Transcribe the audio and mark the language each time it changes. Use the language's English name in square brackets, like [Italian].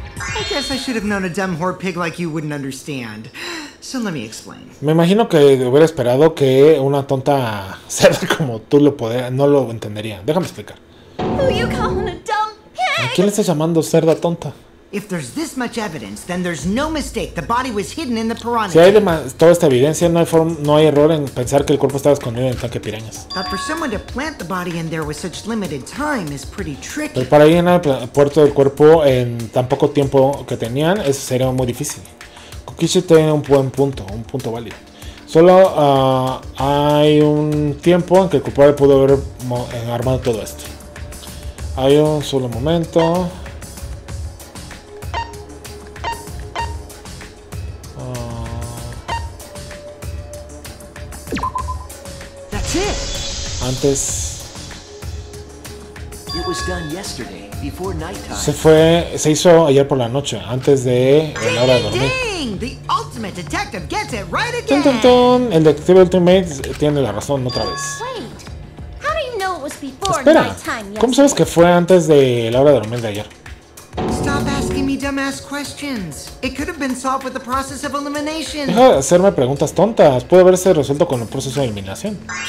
[English] I guess I should have known a dumb whore pig like you wouldn't understand. So let me explain. [Spanish] Me imagino que hubiera esperado que una tonta cerda como tú no lo entendería. Déjame explicar. [English] Who you calling a dumb pig? [Spanish] ¿A quién le estás llamando cerda tonta? [English] If there's this much evidence, then there's no mistake. The body was hidden in the piranha. [Spanish] Si hay toda esta evidencia, no hay error en pensar que el cuerpo estaba escondido en el tanque de pirañas. [English] But for someone to plant the body in there with such limited time is pretty tricky. [Spanish] Pero para alguien al puerto del cuerpo en tan poco tiempo que tenían, eso sería muy difícil. Kukichi tiene un buen punto, un punto válido. Solo hay un tiempo en que el culpable pudo haber armado todo esto. Hay un solo momento. Antes. [English] It was done yesterday, before nighttime. [Spanish] Se hizo ayer por la noche, antes de la hora de dormir. [English] Ding, the ultimate detective gets it right again. Tun, tun, tun. [Spanish] El detective Ultimate tiene la razón otra vez. [English] Wait, how do you know it was before [Spanish] Espera, [English] nighttime [Spanish] ¿cómo sabes que fue antes de la hora de dormir de ayer? [English] Stop asking me dumbass questions. It could have been solved with the process of elimination. [Spanish] Deja de hacerme preguntas tontas. Puede haberse resuelto con el proceso de eliminación.